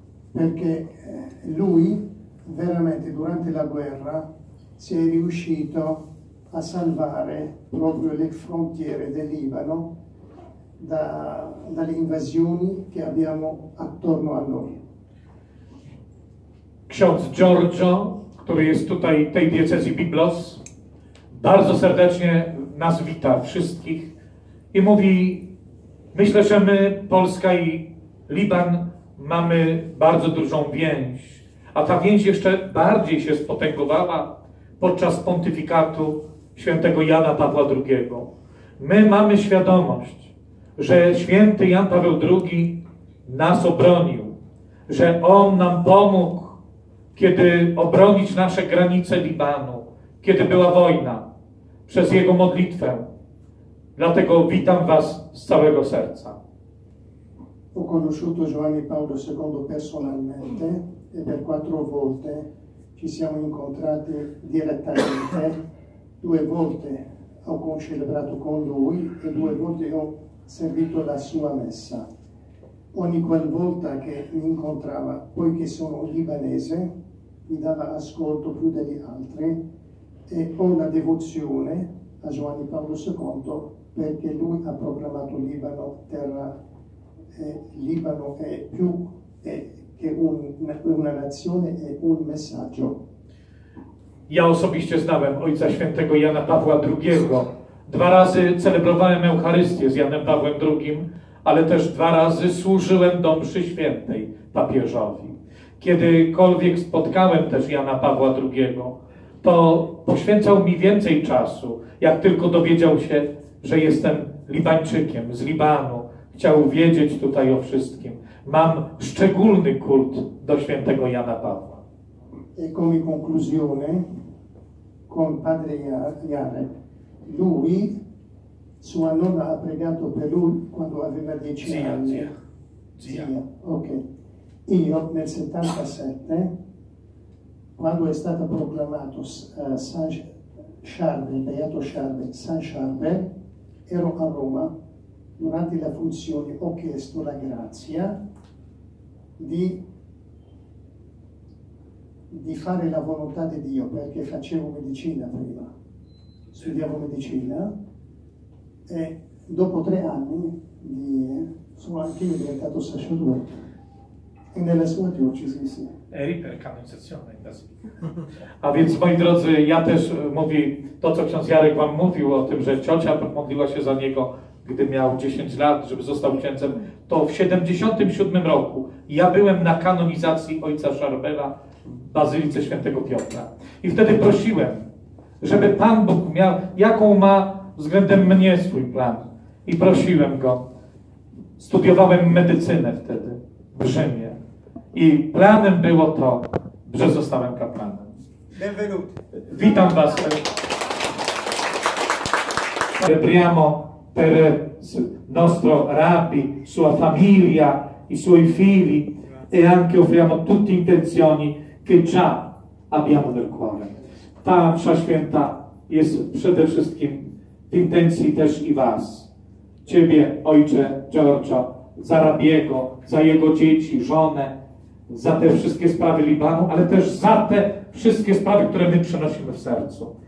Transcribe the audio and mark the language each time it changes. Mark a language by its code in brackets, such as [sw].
[it] perché lui veramente durante la guerra si è riuscito a salvare proprio le frontiere del Libano dalle invasioni che abbiamo attorno a noi. [pl] Ksiądz Giorgio, który jest tutaj tej diecezji Biblos, bardzo serdecznie nas wita wszystkich i mówi, myślę, że my, Polska i Liban, mamy bardzo dużą więź, a ta więź jeszcze bardziej się spotęgowała podczas pontyfikatu świętego Jana Pawła II. My mamy świadomość, że święty Jan Paweł II nas obronił, że on nam pomógł, kiedy obronić nasze granice Libanu, kiedy była wojna, przez jego modlitwę. Dlatego witam was z całego serca. [it] Ho conosciuto Giovanni Paolo II personalmente e per quattro volte ci siamo incontrati direttamente. Due volte ho concelebrato con lui e due volte ho servito la sua messa. Ogni qualvolta che mi incontrava, poiché sono libanese, mi dava ascolto più degli altri e ho una devozione a Giovanni Paolo II perché lui ha proclamato Libano terra. Libano è più che una nazione, è un messaggio. [pl] Ja osobiście znałem ojca świętego Jana Pawła II. Dwa razy celebrowałem Eucharystię z Janem Pawłem II, ale też dwa razy służyłem do mszy świętej papieżowi. Kiedykolwiek spotkałem też Jana Pawła II, to poświęcał mi więcej czasu, jak tylko dowiedział się, że jestem Libańczykiem z Libanu. Chciał wiedzieć tutaj o wszystkim. mam szczególny kult do świętego Jana Pawła. [it] E come conclusione con padre Jarek, lui sua nonna ha pregato per lui quando aveva 10 anni. Zia. Ok. Io nel 77 quando è stato proclamato San Charles, Beato Charles, San Charles, ero a Roma durante la funzione, ho chiesto la grazia di fare la volontà di Dio, perché facevo medicina prima, studiavo medicina, e dopo 3 anni sono anche io diventato sacerdote e nella sua diocesi sì. Eri per canonizzazione in Basilica. [pl] A więc moi drodzy, ja też mówię to, co ksiądz Jarek wam mówił o tym, że ciocia modliła się za niego, gdy miał 10 lat, żeby został księdzem. To w 77 roku ja byłem na kanonizacji ojca Charbela w Bazylice Świętego Piotra. I wtedy prosiłem, żeby Pan Bóg miał, jaką ma względem mnie swój plan. I prosiłem go. Studiowałem medycynę wtedy w Rzymie. I planem było to, że zostałem kapłanem. [it] Benvenuti. [pl] Witam was. [it] Priamo per nostro rabbi, sua famiglia, i suoi figli, e anche offriamo tutte intenzioni che già abbiamo nel cuore. [pl] Ta msza święta jest przede wszystkim w intencji też i was. Ciebie, ojcze Giorgio, za rabiego, za jego dzieci, żonę, za te wszystkie sprawy Libanu, ale też za te wszystkie sprawy, które my przenosimy w sercu.